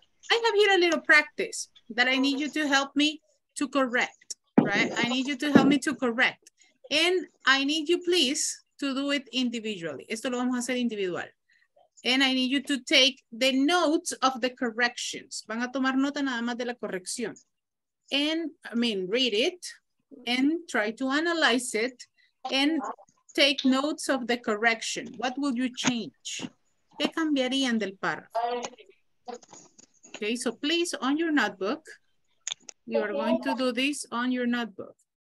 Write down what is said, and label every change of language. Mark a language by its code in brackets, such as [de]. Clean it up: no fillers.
[en] I have here a little practice that I need you to help me to correct, right? I need you to help me to correct. And I need you please to do it individually. [es] Esto lo vamos a hacer individual. [en] And I need you to take the notes of the corrections. [es] Van a tomar nota nada más de la corrección. [en] And I mean, read it and try to analyze it and take notes of the correction. What would you change? [es] ¿Qué cambiarían del párrafo? [en] Okay, so please on your notebook, you are going to do this on your notebook.